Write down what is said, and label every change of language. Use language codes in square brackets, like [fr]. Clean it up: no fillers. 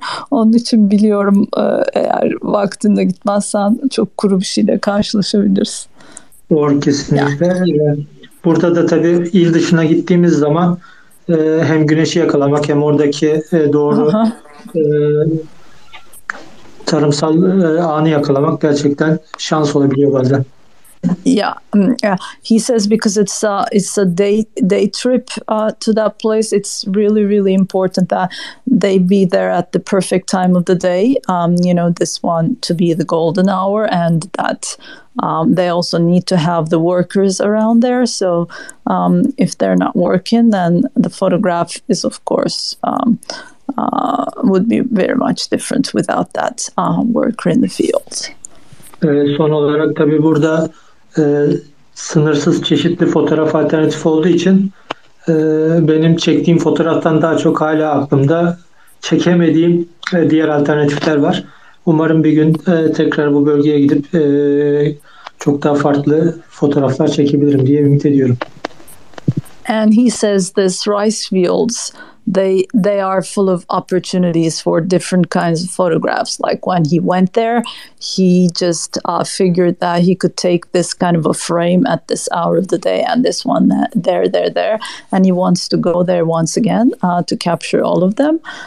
[tr] Onun için biliyorum, eğer vaktinde gitmezsen çok kuru bir şeyle karşılaşabilirsin. Doğru, kesinlikle. Yani. Burada da tabii il dışına gittiğimiz zaman hem güneşi yakalamak hem oradaki doğru tarımsal anı yakalamak gerçekten şans olabiliyor bazen. [en] Yeah, he says because it's a day trip to that place, it's really, really important that they be there at the perfect time of the day, this one to be the golden hour, and that they also need to have the workers around there. So if they're not working, then the photograph is, of course, would be very much different without that worker in the field. [tr] Son olarak tabii burada sınırsız çeşitli fotoğraf alternatifi olduğu için benim çektiğim fotoğraftan daha çok hala aklımda çekemediğim diğer alternatifler var. Umarım bir gün tekrar bu bölgeye gidip çok daha farklı fotoğraflar çekebilirim diye ümit ediyorum. [en] And he says this rice fields, they are full of opportunities for different kinds of photographs. Like when he went there, he just figured that he could take this kind of a frame at this hour of the day and this one there, and he wants to go there once again to capture all of them.